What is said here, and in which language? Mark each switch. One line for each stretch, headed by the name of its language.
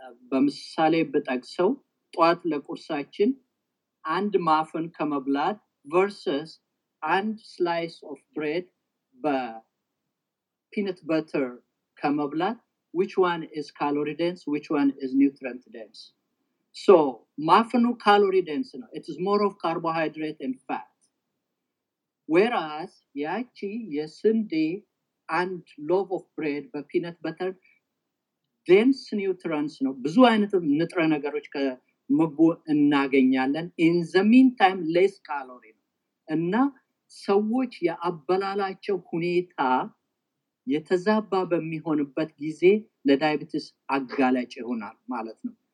Amharic: በምሳሌ ብጠቅሰው ጧት ለቁርሳችን አንድ ማፈን ከመብላት
English: versus አንድ ስላይስ ኦፍ ብሬድ በፒነት በተር ከመብላት which one is calorie dense, which one is nutrient dense? So ማፈኑ ካሎሪ ዴንስ ነው, it is more of carbohydrate and fat.
Amharic: Whereas ያቺ የስንዴ አንድ
English: ሎፍ ኦፍ ብሬድ በፒነት በተር ዴንስ ኒውትሪንስ
Amharic: ነው, ብዙ አይነት ንጥረ ነገሮች ከምግቡ እናገኛለን.
English: ኢን ዘ ሚን ታይም ሌስ ካሎሪ
Amharic: ነው. እና ሰዎች የአበላላቸው ሁኔታ የተዛባ በሚሆንበት ጊዜ ለዳያቤቲስ አጋላጭ ይሆናል ማለት ነው.